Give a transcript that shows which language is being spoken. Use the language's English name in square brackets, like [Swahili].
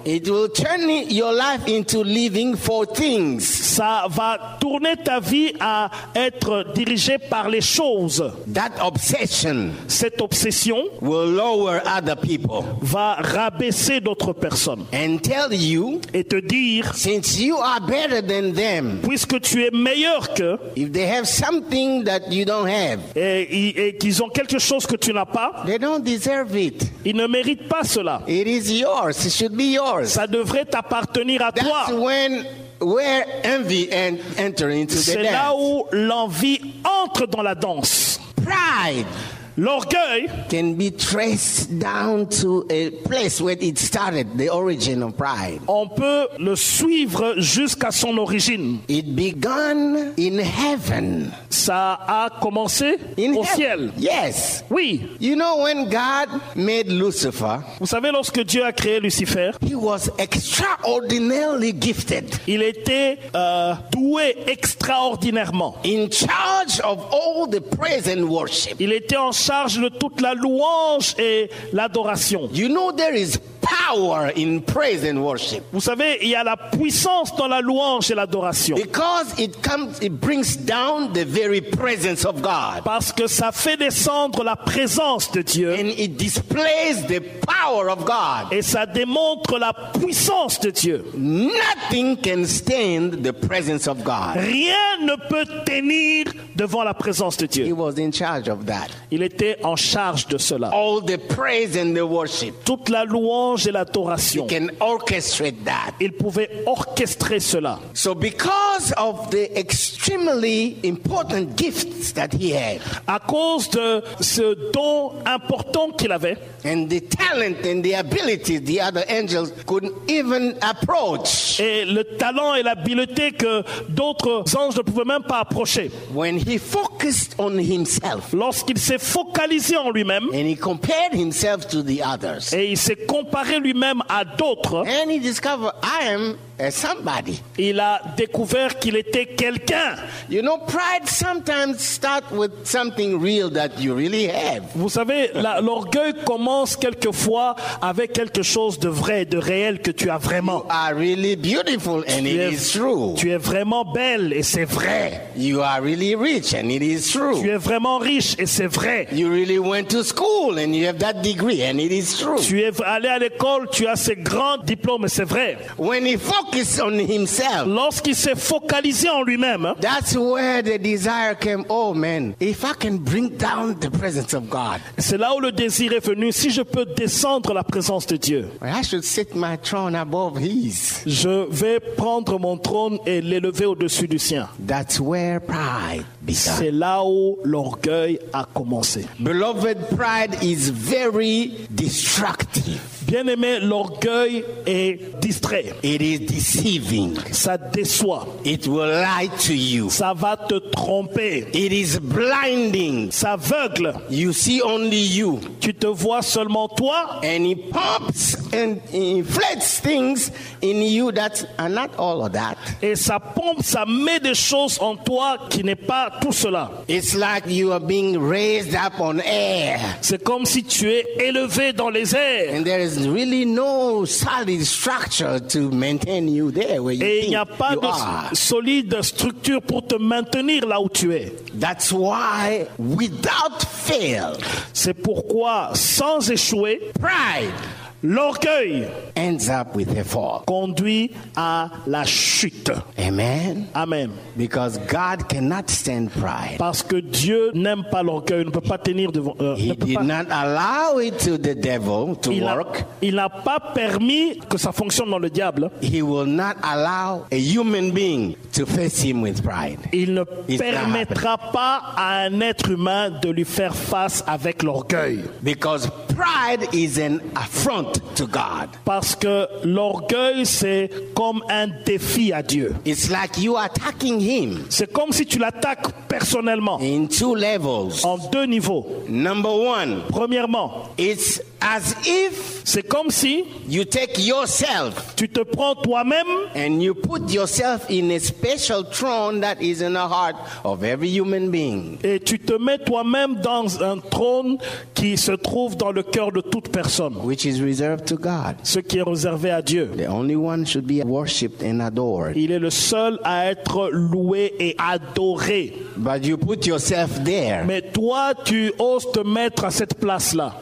[English] It will turn your life into living for things. [French] Ça va tourner ta vie à être dirigé par les choses. [English] That obsession. [French] Cette obsession. [English] Will lower other people. [French] Va rabaisser d'autres personnes. [English] And tell you. [French] Et te dire. [English] Since you are better than them. [French] Puisque tu es meilleur que. [English] They have something that you don't have. [French] Et qu'ils ont quelque chose que tu n'as pas. [English] They don't deserve it. [French] Ils ne méritent pas cela. [English] It is yours. It should be yours. [French] Ça devrait t'appartenir à [English] That's [French] toi. [English] That's when where envy and enter into [French] C'est [English] the dance. [French] C'est là où l'envie entre dans la danse. [English] Pride. [French] L'orgueil [English] can be traced down to a place where it started, the origin of pride. [French] On peut le suivre jusqu'à son origine. [English] It began in heaven. [French] Ça a commencé [English] in [French] au [English] heaven. [French] Ciel. [English] Yes. [French] Oui. [English] You know when God made Lucifer? [French] Vous savez lorsque Dieu a créé Lucifer? [English] He was extraordinarily gifted. [French] Il était doué extraordinairement. [English] In charge of all the praise and worship. [French] Il était en charge de toute la louange et l'adoration. [English] You know there is power in praise and worship. [French] Vous savez, il y a la puissance dans la louange et l'adoration. [English] Because it comes, it brings down the very presence of God. [French] Parce que ça fait descendre la présence de Dieu. [English] And it displays the power of God. [French] Et ça démontre la puissance de Dieu. [English] Nothing can stand the presence of God. [French] Rien ne peut tenir devant la présence de Dieu. [English] He was in charge of that. [French] Il était en charge de cela. [English] All the praise and the worship. [French] Toute la louange et l'adoration. [English] He can orchestrate that. [French] Il pouvait orchestrer cela. [English] So because of the extremely important gifts that he had, [French] à cause de ce don important qu'il avait, [English] and the talent and the ability the other angels couldn't even approach, [French] et le talent et l'habileté que d'autres anges ne pouvaient même pas approcher, [English] when he focused on himself, [French] lorsqu'il s'est focalisé en lui-même, [English] and he compared himself to the others, [French] et il s'est comparé lui-même à d'autres, [English] and he discovered I am a somebody. [French] Il a découvert qu'il était quelqu'un. [English] You know, pride sometimes starts with something real that you really have. [French] Vous savez, l'orgueil commence quelquefois avec quelque chose de vrai, de réel que tu as vraiment. [English] You are really beautiful and it is true. [French] Tu es vraiment belle et c'est vrai. [English] You are really rich and it is true. [French] Tu es vraiment riche et c'est vrai. [English] You really went to school and you have that degree and it is true. [French] Tu es allé à l'école, tu as ce grand diplôme et c'est vrai. [English] When he focus on himself. [French] Lorsqu'il s'est focalisé en lui-même. [English] That's where the desire came. Oh man, if I can bring down the presence of God. [French] C'est là où le désir est venu. Si je peux descendre la présence de Dieu. [English] I should set my throne above His. [French] Je vais prendre mon trône et l'élever au-dessus du sien. [English] That's where pride began. [French] C'est là où l'orgueil a commencé. [English] Beloved, pride is very destructive. [French] Bien-aimé, l'orgueil est distrait. [English] It is deceiving. [French] Ça déçoit. [English] It will lie to you. [French] Ça va te tromper. [English] It is blinding. [French] Ça aveugle. [English] You see only you. [French] Tu te vois seulement toi. [English] And it pumps and inflates things in you that are not all of that. [French] Et ça pompe, ça met des choses en toi qui n'est pas tout cela. [English] It's like you are being raised up on air. [French] C'est comme si tu es élevé dans les airs. [English] And there is really no solid structure to maintain you there where you [French] are. Et il n'y a pas de solide structure pour te maintenir là où tu es. [English] That's why without fail. [French] C'est pourquoi sans échouer, [English] pride, [French] l'orgueil [English] ends up with a fall. [French] Conduit à la chute. [English] Amen. [French] Amen. [English] Because God cannot stand pride. [French] Parce que Dieu n'aime pas l'orgueil, il ne peut pas tenir devant. [English] He did not allow it to the devil to work. [French] Il n'a pas permis que ça fonctionne dans le diable. [English] He will not allow a human being to face him with pride. [French] Il ne permettra pas à un être humain de lui faire face avec l'orgueil. [English] Because pride is an affront to God. [French] Parce que l'orgueil c'est comme un défi à Dieu. [English] It's like you attacking him. [French] C'est comme si tu l'attaques personnellement. [English] In two levels. [French] En deux niveaux. [English] Number one. [French] Premièrement. [English] It's as if [French] c'est comme si [English] you take yourself, [French] tu te prends toi-même, [English] and you put yourself in a special throne that is in the heart of every human being. [French] Et tu te mets toi-même dans un trône qui se trouve dans le cœur de toute personne, [English] which is reserved to God. [French] Ce qui est réservé à Dieu. [English] The only one should be worshipped and adored. [French] Il est le seul à être loué et adoré. [English] But you put yourself there. [French] Mais toi, tu oses te mettre à cette place-là.